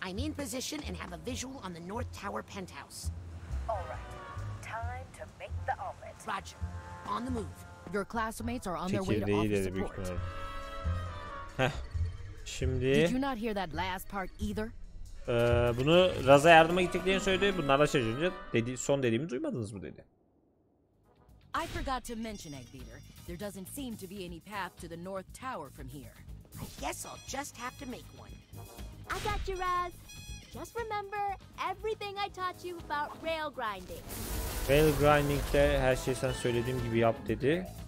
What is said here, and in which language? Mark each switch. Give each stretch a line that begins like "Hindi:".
English: I'm in position and have a visual on the North Tower penthouse. All right. Time to make the omelet. Roger. On the move. Your classmates are on their way to office support.
Turkish: Heh. Şimdi.
English: Did you not hear that last part either?
Turkish: Bunu Raz'a yardıma gittiklerini söyledi. Bunlar da şaşırınca dedi, son dediğimi duymadınız mı dedi.
English: I forgot to mention, Eggbeater. There doesn't seem to be any path to the North Tower from here. I guess I'll just have to make one. I got you, Raz. Just remember everything I taught you about rail grinding.
Turkish: Rail grinding'de her şeyi sen söylediğim gibi yap dedi.